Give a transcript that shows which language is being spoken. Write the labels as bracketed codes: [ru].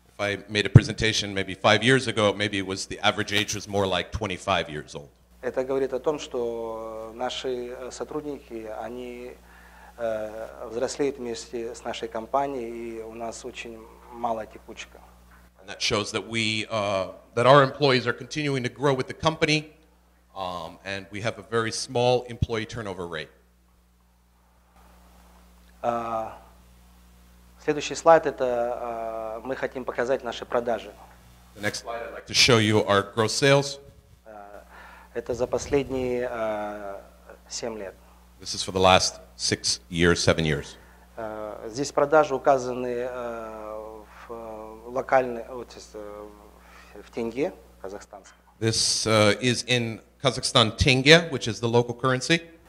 [en] If I made a presentation maybe 5 years ago, maybe it was the average age was more like 25 years old. [ru] Это говорит о том, что наши сотрудники, они взрослеют вместе с нашей компанией, и у нас очень малая текучка. [en] And that shows that we that our employees are continuing to grow with the company. And we have a very small employee turnover rate. [ru] Следующий слайд это мы хотим показать наши продажи. [en] The next slide I'd like to show you our gross sales. [ru] Это за последние 7 лет. [en] This is for the last 6 years, 7 years. [ru] Здесь продажи указаны в локальной вот в тенге, казахстанском. [en] This is in Kazakhstan tenge, which is the local currency.